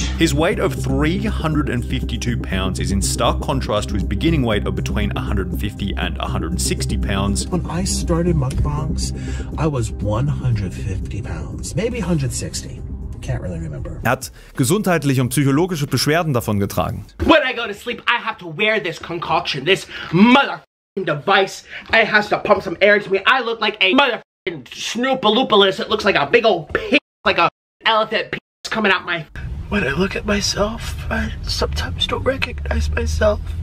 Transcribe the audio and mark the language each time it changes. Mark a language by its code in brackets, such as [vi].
[en] His weight of 352 pounds is in stark contrast to his beginning weight of between 150 and 160 pounds. When I started mukbangs, I was 150 pounds, maybe 160. Can't really remember. [de] Er hat gesundheitliche und psychologische Beschwerden davon getragen. [en] When I go to sleep, I have to wear this concoction, this motherfucking device. It has to pump some air into me. I look like a motherfucking snoopaloopalus. It looks like a big old pig. Like a elephant penis coming out my... When I look at myself, I sometimes don't recognize myself.